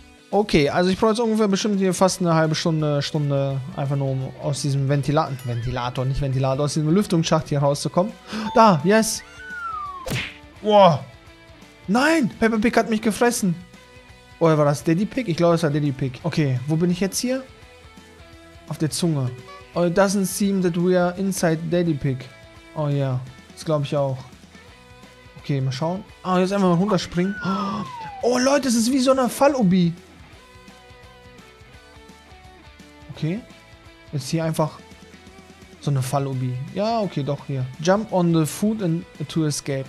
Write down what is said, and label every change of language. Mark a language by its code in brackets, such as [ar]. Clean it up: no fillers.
[de] Okay, also ich brauche jetzt ungefähr bestimmt hier fast eine halbe Stunde, Stunde, einfach nur um aus diesem aus diesem Lüftungsschacht hier rauszukommen. Da, yes! Boah! Nein! Peppa Pig hat mich gefressen! Oder war das Daddy Pig? Ich glaube, es war Daddy Pig. Okay, wo bin ich jetzt hier? Auf der Zunge. [en] Oh, it doesn't seem that we are inside Daddy Pig. [de] Oh ja, yeah. Das glaube ich auch. Okay, mal schauen. Ah, jetzt einfach mal runterspringen. Oh Leute, das ist wie so eine Fall-Ubi. Okay, jetzt hier einfach so eine Fall-Ubi. Ja, okay, doch hier. [en] Jump on the food and to escape.